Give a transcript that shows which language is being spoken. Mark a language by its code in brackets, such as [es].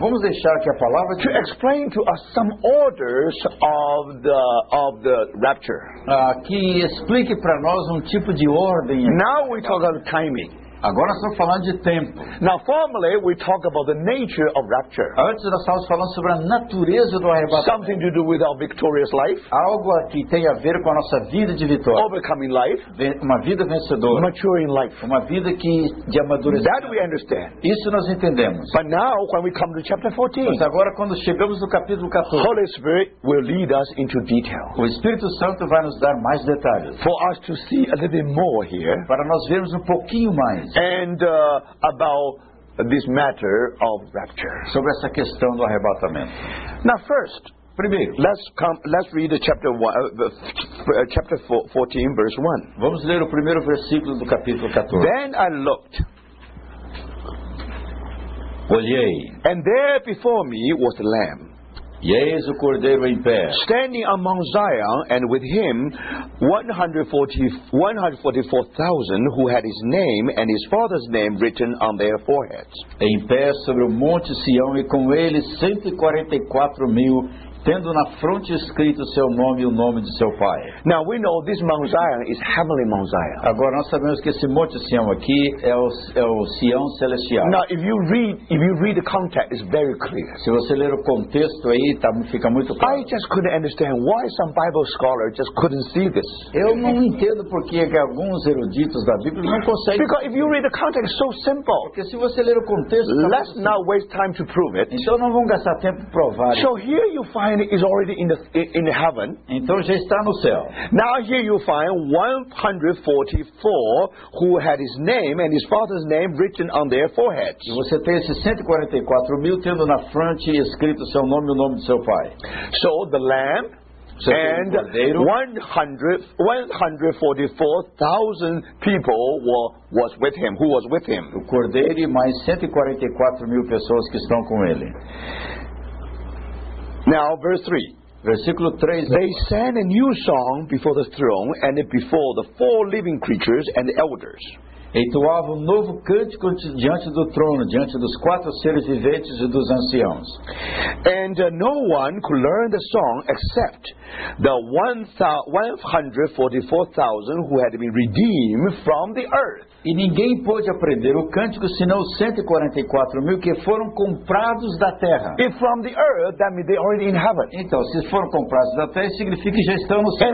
[pt] Vamos deixar que a palavra [en] to explain to us some orders of the rapture. [pt] Que explique para nós tipo de ordem. [en] Now we talk about timing. [pt] Agora estamos falando de tempo. [en] Now, formally, we talk about the nature of rapture. [pt] Antes nós estávamos falando sobre a natureza do arrebatamento. [en] Something to do with our victorious life. [pt] Algo que tem a ver com a nossa vida de vitória. [en] Overcoming life. [pt] Uma vida vencedora. [en] Maturing life. [pt] Uma vida que de amadurecimento. [en] That we understand. [pt] Isso nós entendemos. [en] But now, when we come to chapter 14. [pt] Mas agora, quando chegamos no capítulo 14. [en] Holy Spirit will lead us into detail. [pt] O Espírito Santo vai nos dar mais detalhes. [en] For us to see a little bit more here. [pt] Para nós vermos pouquinho mais. [en] And about this matter of rapture. [pt] Sobre essa questão do arrebatamento. [en] Now first, [pt] primeiro, [en] let's read the chapter 14 verse 1. [pt] Vamos ler o primeiro versículo do capítulo 14. [en] Then I looked. [pt] Olhei. [en] And there before me was the Lamb. [pt] E eis o Cordeiro em pé. [en] Standing among Zion, and with him 144,000 who had his name and his father's name written on their foreheads. [pt] Em pé sobre o Monte Sião, e com ele 144,000 tendo na fronte escrito seu nome e o nome de seu pai. [en] Now we know this Mount Zion is heavenly Mount Zion. [pt] Agora nós sabemos que esse Monte Sião aqui é o Sião celestial. [en] Now if you read the context, it's very clear. [pt] Se você ler o contexto aí, fica muito claro. [en] I just couldn't understand why some Bible scholars just couldn't see this. [pt] Eu não entendo por que alguns eruditos da Bíblia não conseguem. [en] Because if you read the context, it's so simple. [pt] Porque se você ler o contexto, [en] let's not waste time to prove it. [pt] Então não vamos gastar tempo provar. [en] So here you find is already in heaven. [pt] Então já está no céu. [en] Now here you find 144 who had his name and his father's name written on their foreheads. [pt] E você tem esses 144,000 tendo na frente escrito seu nome e o nome do seu pai. [en] So the lamb and 144,000 people was with him. Who was with him? [pt] O cordeiro e mais 144,000 pessoas que estão com ele. [en] Now, verse 3. [pt] Versículo 3. [en] They sang a new song before the throne and before the four living creatures and the elders. [pt] Entoava um novo cântico diante do trono, diante dos quatro seres viventes e dos anciãos. [en] And no one could learn the song except the 144,000 who had been redeemed from the earth. [pt] E ninguém pôde aprender o cântico senão 144,000 que foram comprados da terra. [en] If from the earth, that means they're already in heaven. [pt] Então, se foram comprados da terra, significa que já estão no céu.